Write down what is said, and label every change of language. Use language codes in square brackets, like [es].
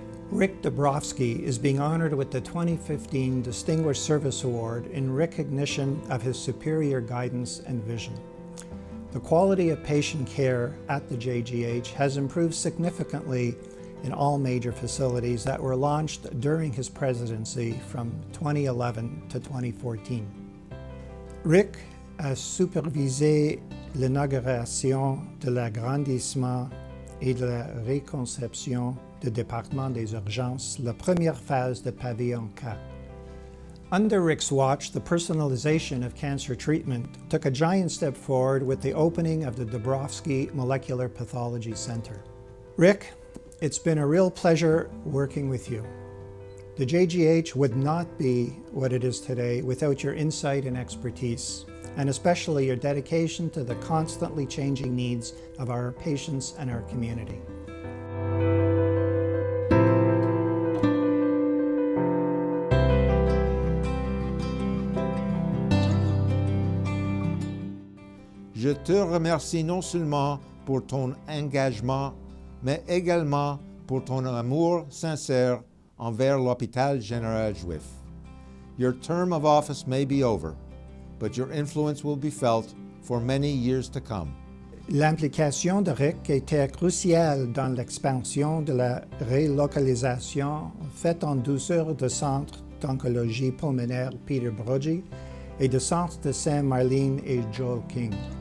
[en] Rick Dubrovsky is being honored with the 2015 Distinguished Service Award in recognition of his superior guidance and vision. The quality of patient care at the JGH has improved significantly in all major facilities that were launched during his presidency from 2011 to 2014. [fr] Rick a supervisé l'inauguration de l'agrandissement et de la reconception du département des urgences, la première phase de pavillon 4. [en] Under Rick's watch, the personalization of cancer treatment took a giant step forward with the opening of the Dubrovsky Molecular Pathology Center. Rick, it's been a real pleasure working with you. The JGH would not be what it is today without your insight and expertise, and especially your dedication to the constantly changing needs of our patients and our community. [fr] Je te remercie non seulement pour ton engagement, mais également pour ton amour sincère envers l'Hôpital Général Juif. [en] Your term of office may be over, but your influence will be felt for many years to come. [fr] L'implication de Rick était cruciale dans l'expansion de la relocalisation faite en douceur du Centre d'oncologie pulmonaire Peter Brogy et du Centre de Saint-Marlene et Joel King.